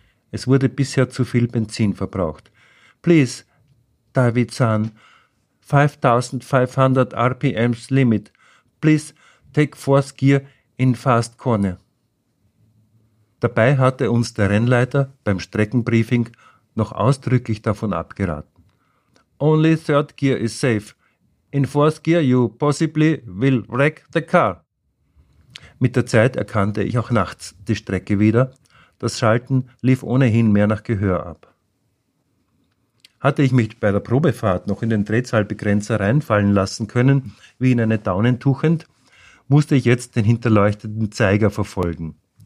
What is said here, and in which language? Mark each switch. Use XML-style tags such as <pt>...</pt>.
<de>Es wurde bisher zu viel Benzin verbraucht.</de> <en>Please, David-san, 5500 RPMs Limit. Please, take force gear in fast corner.</en> <de>Dabei hatte uns der Rennleiter beim Streckenbriefing noch ausdrücklich davon abgeraten.</de> <en>Only third gear is safe. In fourth gear you possibly will wreck the car.</en> <de>Mit der Zeit erkannte ich auch nachts die Strecke wieder. Das Schalten lief ohnehin mehr nach Gehör ab. Hatte ich mich bei der Probefahrt noch in den Drehzahlbegrenzer reinfallen lassen können, wie in eine Daunentuchend, musste ich jetzt den hinterleuchtenden Zeiger verfolgen.</de>